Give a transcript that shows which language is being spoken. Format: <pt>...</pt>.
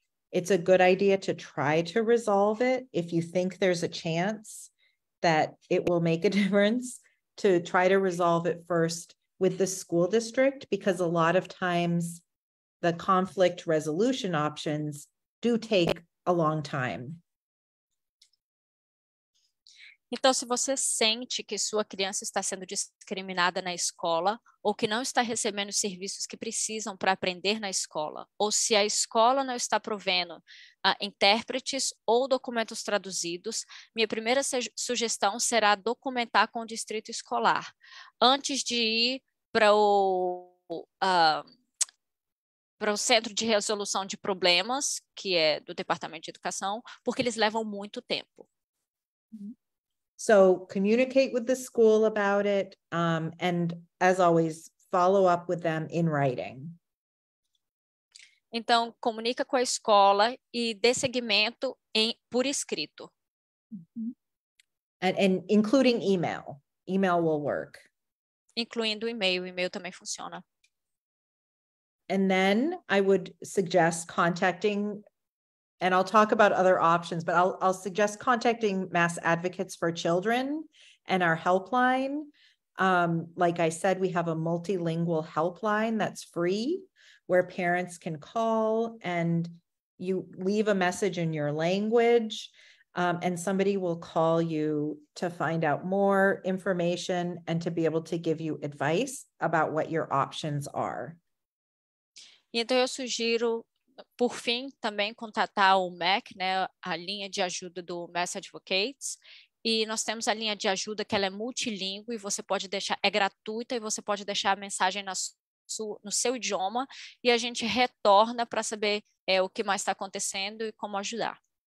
<en>It's a good idea to try to resolve it if you think there's a chance that it will make a difference, to try to resolve it first with the school district, because a lot of times the conflict resolution options do take a long time.</en> <pt>Então, se você sente que sua criança está sendo discriminada na escola ou que não está recebendo os serviços que precisam para aprender na escola, ou se a escola não está provendo intérpretes ou documentos traduzidos, minha primeira sugestão será documentar com o distrito escolar. Antes de ir para o Centro de Resolução de Problemas, que é do Departamento de Educação, porque eles levam muito tempo.</pt> <en>So communicate with the school about it, and as always, follow up with them in writing.</en> <pt>Então, comunica com a escola e dê seguimento por escrito.</pt> <en>And including email. Email will work.</en> <pt>Incluindo e-mail. E-mail também funciona.</pt> <en>And then I would suggest contacting, and I'll talk about other options, but I'll suggest contacting Mass Advocates for Children and our helpline. Like I said, we have a multilingual helpline that's free where parents can call and you leave a message in your language, and somebody will call you to find out more information and to be able to give you advice about what your options are.</en> <pt>Então eu sugiro, por fim, também contatar o MAC, né, a linha de ajuda do Mass Advocates. E nós temos a linha de ajuda que ela é multilingue, e você pode deixar, é gratuita, e você pode deixar a mensagem na no seu idioma, e a gente retorna para saber o que mais está acontecendo e como ajudar.</pt>